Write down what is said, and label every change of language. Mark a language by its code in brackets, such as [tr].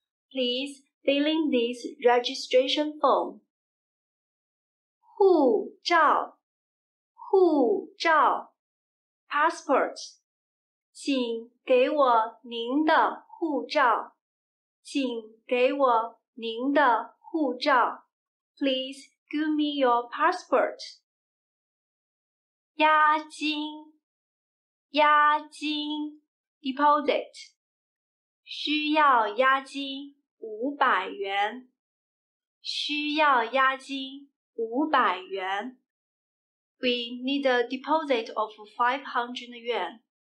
[en] ，please fill in this registration form。 [zh] 护照，护照 [en] ，passport。 [zh] 请给我您的护照，请给我您的护照。 [en] Please give me your passport. [zh] 押金，押金 [en] ，deposit. [zh] 需要押金500元，需要押金500元。 [en] We need a deposit of 500 yuan.